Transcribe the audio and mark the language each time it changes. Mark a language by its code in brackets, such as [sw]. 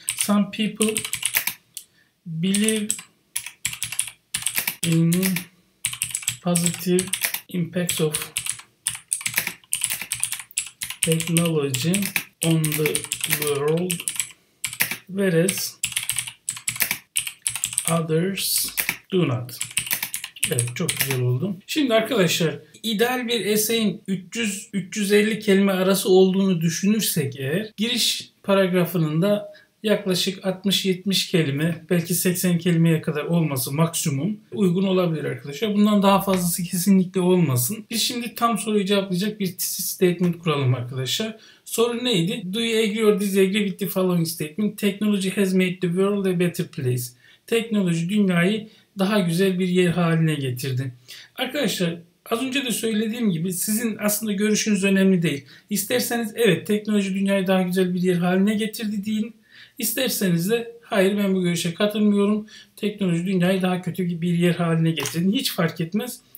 [en] Some people believe in positive impacts of technology on the world, whereas others do not. [tr] Evet, çok güzel oldu. Şimdi arkadaşlar, ideal bir essay'in 300-350 kelime arası olduğunu düşünürsek eğer, giriş paragrafının da yaklaşık 60-70 kelime, belki 80 kelimeye kadar olması maksimum uygun olabilir arkadaşlar. Bundan daha fazlası kesinlikle olmasın. Biz şimdi tam soruyu cevaplayacak bir thesis statement kuralım arkadaşlar. Soru neydi? [en] Do you agree or disagree with the following statement? Technology has made the world a better place. [tr] Teknoloji dünyayı daha güzel bir yer haline getirdi. Arkadaşlar, az önce de söylediğim gibi sizin aslında görüşünüz önemli değil. İsterseniz evet, teknoloji dünyayı daha güzel bir yer haline getirdi deyin. İsterseniz de hayır, ben bu görüşe katılmıyorum, teknoloji dünyayı daha kötü bir yer haline getirdin, hiç fark etmez.